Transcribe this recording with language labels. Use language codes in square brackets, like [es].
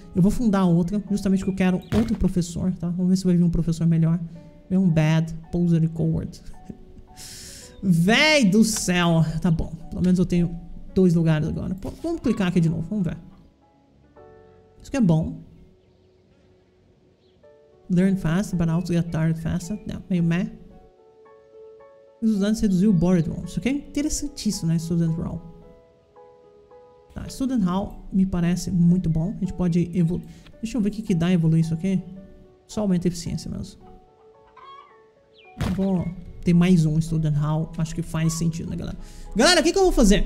[pt] Eu vou fundar outra, justamente porque eu quero outro professor, tá? Vamos ver se vai vir um professor melhor. Vem um Bad, Poser e Coward. Véi do céu. Tá bom. Pelo menos eu tenho dois lugares agora. Pô, vamos clicar aqui de novo. Vamos ver. Isso aqui é bom. [en] Learn fast, but also get tired faster. [pt] Não, meio meh. Estudantes reduziu o Bored Room. Isso aqui é interessantíssimo, né? Student Hall. Tá, Student Hall me parece muito bom. A gente pode evoluir. Deixa eu ver o que, que dá evoluir isso aqui. Só aumenta a eficiência mesmo. Tá bom. Mais um Student Hall, acho que faz sentido, né, galera? Galera, o que, que eu vou fazer?